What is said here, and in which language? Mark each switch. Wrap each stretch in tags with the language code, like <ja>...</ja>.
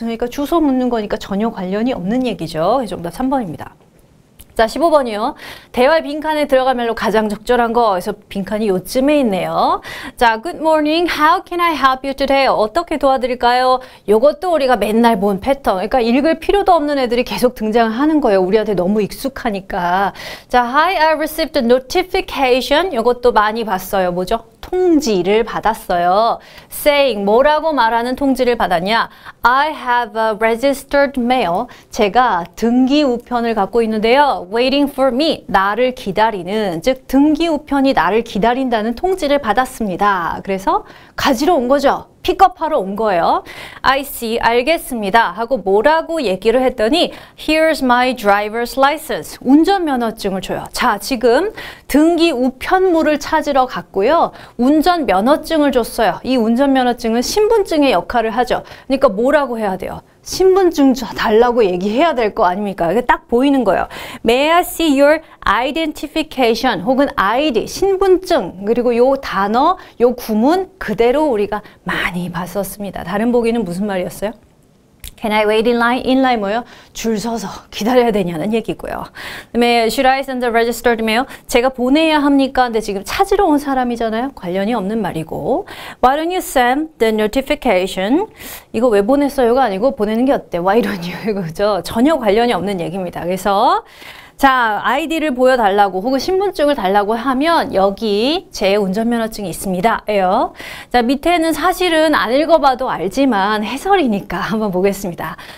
<ko>그러니까 주소 묻는 거니까 전혀 관련이 없는 얘기죠. 정답 3번입니다. 자, 15번이요. 대화의 빈칸에 들어갈 말로 가장 적절한 거. 그래서 빈칸이 요쯤에 있네요.</ko> <en>자, good morning. How can I help you today?</en> <ko>어떻게 도와드릴까요? 요것도 우리가 맨날 본 패턴. 그러니까 읽을 필요도 없는 애들이 계속 등장하는 거예요. 우리한테 너무 익숙하니까.</ko> <en>자, Hi, I received a notification.</en> <ko>요것도 많이 봤어요. 뭐죠? 통지를 받았어요. Saying, 뭐라고 말하는 통지를 받았냐?</ko> <en>I have a registered mail.</en> <ko>제가 등기 우편을 갖고 있는데요.</ko> <en>Waiting for me.</en> <ko>나를 기다리는. 즉, 등기 우편이 나를 기다린다는 통지를 받았습니다. 그래서 가지러 온 거죠. 픽업하러 온 거예요.</ko> <en>I see.</en> <ko>알겠습니다. 하고 뭐라고 얘기를 했더니</ko> <en>Here's my driver's license.</en> <ko>운전면허증을 줘요. 자, 지금 등기 우편물을 찾으러 갔고요. 운전면허증을 줬어요. 이 운전면허증은 신분증의 역할을 하죠. 그러니까 뭐라고 해야 돼요? 신분증 달라고 얘기해야 될 거 아닙니까? 이게 딱 보이는 거예요.</ko> <en>May I see your identification</en> <ko>혹은 ID, 신분증 그리고 요 단어, 요 구문 그대로 우리가 많이 봤었습니다. 다른 보기는 무슨 말이었어요?</ko> <en>Can I wait in line? In line</en> <ko>뭐요? 줄 서서 기다려야 되냐는 얘기고요. 그다음에</ko> <en>Should I send a registered mail?</en> <ko>제가 보내야 합니까? 근데 지금 찾으러 온 사람이잖아요. 관련이 없는 말이고.</ko> <en>Why don't you send the notification?</en> <ko>이거 왜 보냈어요가 아니고 보내는 게 어때?</ko> <en>Why don't you?</en> <ko>이거죠. 전혀 관련이 없는 얘기입니다. 그래서 자, 아이디를 보여달라고 혹은 신분증을 달라고 하면 여기 제 운전면허증이 있습니다. 에요. 자, 밑에는 사실은 안 읽어봐도 알지만 해설이니까 한번 보겠습니다.</ko>